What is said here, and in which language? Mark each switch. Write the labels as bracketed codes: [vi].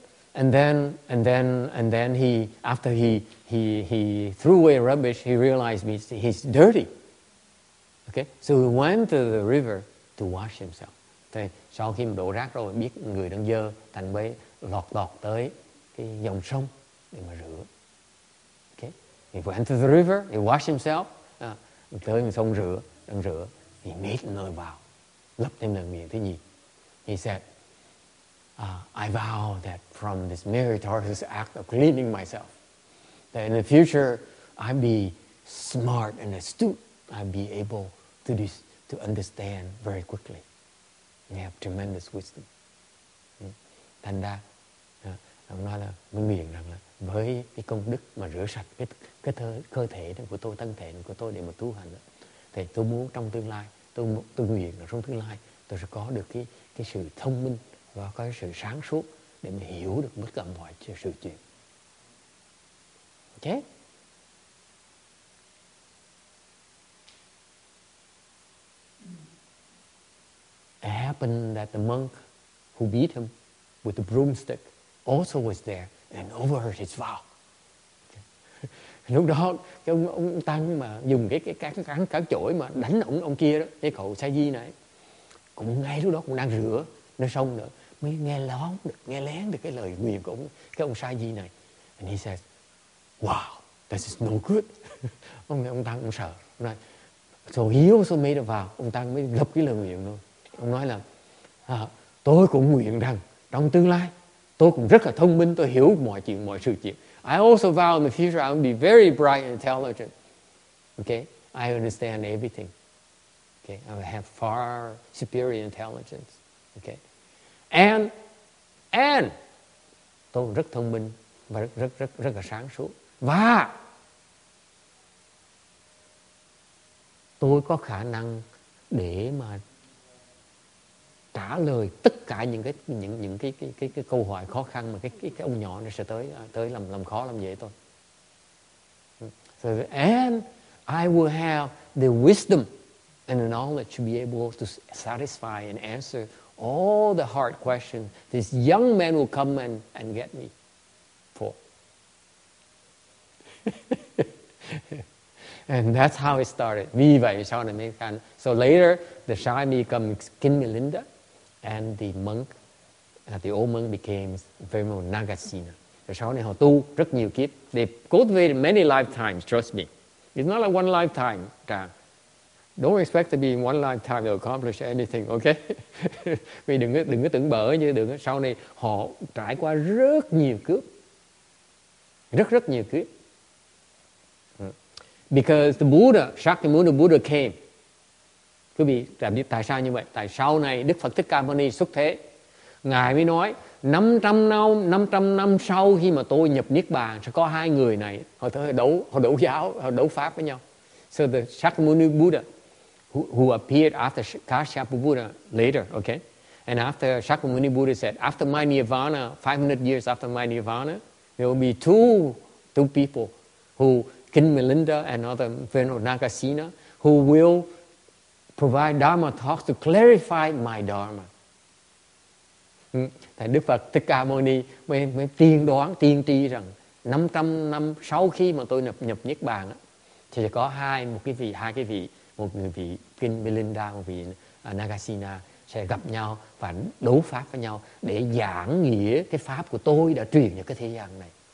[en] And then he, after he threw away rubbish, he realized he's dirty. Okay, so he went to the river to wash himself. [vi] Thì sau khi đổ rác rồi biết người đang dơ, thành bấy lọt đọt tới cái dòng sông để mà rửa. [en] Okay, he went to the river, he washed himself, [vi] tới dòng sông rửa, [en] he made another vow, [vi] lập thêm lần nguyện thứ nhì. [en] He said, I vow that from this meritorious act of cleaning myself, that in the future I'll be smart and astute. I'd be able to to understand very quickly. You have tremendous wisdom. [vi] Thành ra, ông nói là mới nghiền rằng là với cái công đức mà rửa sạch cơ thể của tôi, thân thể của tôi để mà tu hành đó, thì tôi muốn trong tương lai, tôi nguyện là trong tương lai tôi sẽ có được cái sự thông minh và có cái sự sáng suốt để mà hiểu được tất cả mọi sự chuyện. [en] Okay. It happened that the monk who beat him with the broomstick also was there and overheard his vow. [vi] Lúc đó cái ông tăng mà dùng cái cán chổi mà đánh ông kia đó, cái cậu sa di này cũng ngay lúc đó cũng đang rửa nơi sông nữa, mới nghe lén được cái lời nguyền của cái ông sa di này. [en] And he says, "Wow, this is no good." [vi] ông tăng cũng sợ. [en] So he also made a vow. [vi] Ông tăng mới lập cái lời nguyền luôn. Ông nói là tôi cũng nguyện rằng trong tương lai tôi cũng rất là thông minh, tôi hiểu mọi chuyện, mọi sự chuyện. [en] I also vow in the future I will be very bright and intelligent. Okay? I understand everything. Okay? I will have far superior intelligence. Okay? And [vi] tôi cũng rất thông minh và rất là sáng suốt. Và tôi có khả năng để mà trả lời tất cả những cái câu hỏi khó khăn mà cái ông nhỏ này sẽ tới làm khó làm dễ tôi. [en] So, and I will have the wisdom and the knowledge to be able to satisfy and answer all the hard questions this young man will come and get me for. And that's how it started. [vi] Vì vậy sau này mới khăn. [en] So later the shy me come Kim Melinda. And the monk, the old monk became Venerable Nagasena. [vi] Rồi sau này họ tu rất nhiều kiếp. [en] They cultivated many lifetimes, trust me. It's not like one lifetime, Trang. Don't expect to be in one lifetime to accomplish anything, okay? [vi] Vì đừng có tưởng bỡ như đừng. Sau này họ trải qua rất nhiều kiếp. Rất rất nhiều kiếp. [en] Because the Buddha, Shakyamuni Buddha came. [vi] Quý vị làm biết tại sao như vậy? Tại sau này Đức Phật Thích Ca Mâu Ni xuất thế, Ngài mới nói 500 năm sau khi mà tôi nhập Niết Bàn sẽ có hai người này họ đấu giáo, đấu pháp với nhau. [en] So the Shakyamuni Buddha who appeared after Kashyapu Buddha later, okay? And after Shakyamuni Buddha said, after my Nirvana, 500 years after my Nirvana, there will be two people who, King Melinda and other Venerable Nagasena, who will provide Dharma talks to clarify my Dharma. [vi] Thầy Đức Phật Thích Ca Mâu Ni mới tiên đoán, tiên tri rằng 500 năm sau khi mà tôi nhập Niết Bàn thì sẽ có hai cái vị, một người vị Kinh Melinda, một vị Nagasena sẽ gặp nhau và đấu pháp với nhau để giảng nghĩa cái pháp của tôi đã truyền cho cái thế gian này.